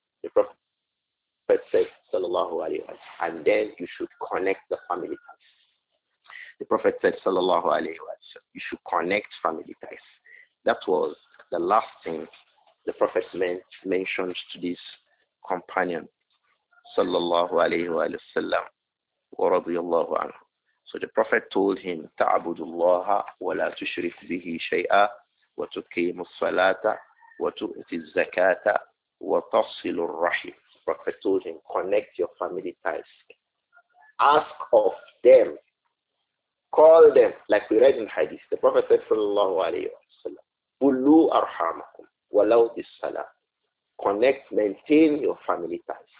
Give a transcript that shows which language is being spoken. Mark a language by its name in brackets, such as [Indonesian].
[English] The Prophet said, sallallahu alayhi wa sallam, and then you should connect the family ties. The Prophet said, sallallahu alayhi wa sallam, you should connect family ties. That was the last thing the Prophet mentioned to this companion, sallallahu alayhi wa sallam, wa radiyallahu anhu. So the Prophet told him, [Arabic] تَعْبُدُ اللَّهَ وَلَا تُشْرِكْ بِهِ شَيْئًا وَتُقِيمُ الصَّلَاةَ وَتُؤْتِ الزَّكَاةَ وَتَصِلُ الرَّحِيمُ. [English] The Prophet told him, connect your family ties. Ask of them. Call them. Like we read in Hadith, the Prophet said, sallallahu alayhi wa sallam, [Arabic] بُلُّوا أَرْحَامَكُمْ وَلَوْ بِالسَّلَامِ. [English] Connect, maintain your family ties.